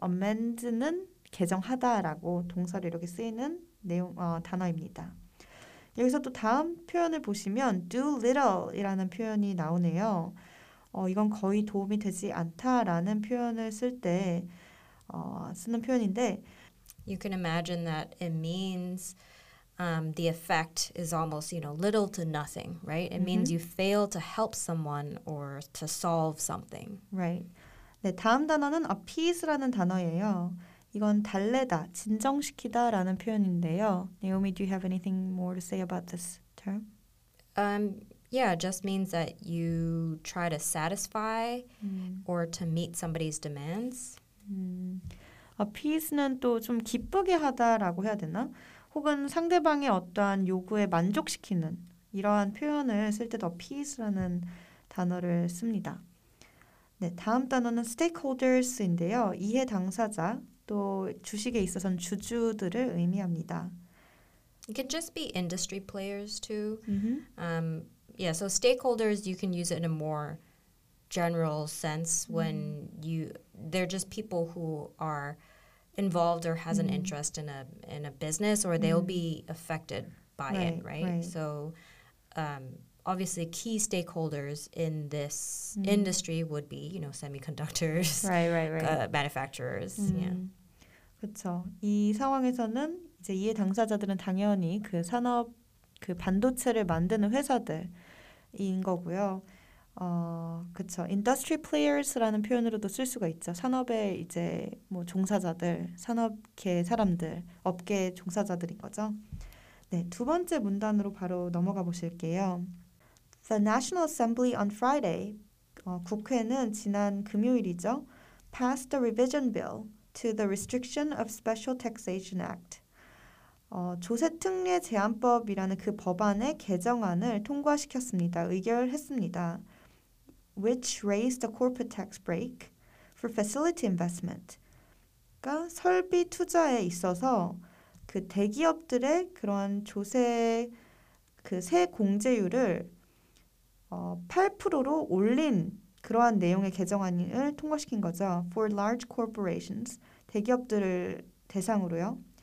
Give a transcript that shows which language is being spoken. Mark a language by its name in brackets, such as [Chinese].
[Korean] Amend는 개정하다라고 동사로 이렇게 쓰이는 내용 단어입니다. 여기서 또 다음 표현을 보시면 do little이라는 표현이 나오네요. 이건 거의 도움이 되지 않다라는 표현을 쓸 때 쓰는 표현인데 [English] You can imagine that it means the effect is almost, you know, little to nothing, right? It mm-hmm. means you fail to help someone or to solve something. [Korean] Right. 네, 다음 단어는 appease라는 단어예요. 이건 달래다, 진정시키다 라는 표현인데요. [English] Naomi, do you have anything more to say about this term? Yeah, it just means that you try to satisfy or to meet somebody's demands. [Korean] Appease는 또 좀 기쁘게 하다라고 해야 되나? 혹은 상대방의 어떠한 요구에 만족시키는 이러한 표현을 쓸 때도 appease라는 단어를 씁니다. 네, 다음 단어는 stakeholders인데요. 이해 당사자, 또 주식에 있어서는 주주들을 의미합니다. [English] It could just be industry players too. Mm-hmm. Yeah, so stakeholders, you can use it in a more general sense when you they're just people who are involved or has an interest in a business or they'll be affected by right, it, right? right. So obviously key stakeholders in this industry would be, you know, semiconductors, right. manufacturers, yeah. [Korean] 그렇죠. 이 상황에서는 이제 이해 당사자들은 당연히 그 산업 그 반도체를 만드는 회사들인 거고요. 그렇죠. Industry players라는 표현으로도 쓸 수가 있죠. 산업의 이제 뭐 종사자들, 산업계 사람들, 업계 종사자들인 거죠. 네, 두 번째 문단으로 바로 넘어가 보실게요. [English] The National Assembly on Friday, [Korean] 국회는 지난 금요일이죠. [English] passed a revision bill to the Restriction of Special Taxation Act. [Korean] 조세특례제한법이라는 그 법안의 개정안을 통과시켰습니다. 의결했습니다. [English] which raised the corporate tax break for facility investment. [Korean] 그러니까 설비 투자에 있어서 그 대기업들의 그런 조세 그 세 공제율을 8%로 올린 그러한 내용의 개정안을 통과시킨 거죠. [English] for large corporations, [Korean] 대기업들을 대상으로요.